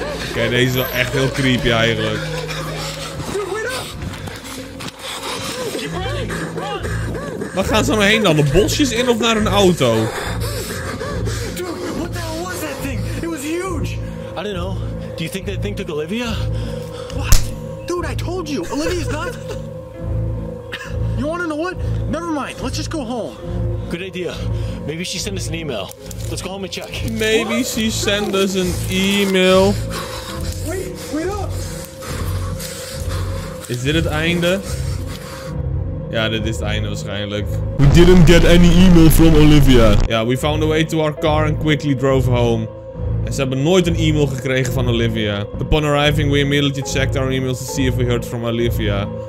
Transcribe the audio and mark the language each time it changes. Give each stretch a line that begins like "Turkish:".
Dutch: Oké, deze is wel echt heel creepy eigenlijk. Waar gaan ze nou heen dan? De bosjes in of naar een auto?
English: Dude, what the hell was that thing? It was huge! I don't know. Do you think that thing took Olivia? What? Dude, I told you! Olivia's not... You wanna know what? Never mind, let's just go home. Good idea. Maybe she sent us an email. Let's go home and check. Maybe what? She sent us an email.
Dutch: Is dit het einde? Ja, dit is het einde waarschijnlijk.
English: We didn't get any email from Olivia. Ja, yeah, we found a way to our car and quickly drove home.
Dutch: En ze hebben nooit een e-mail gekregen van Olivia.
English: Upon arriving, we immediately checked our emails to see if we heard from Olivia.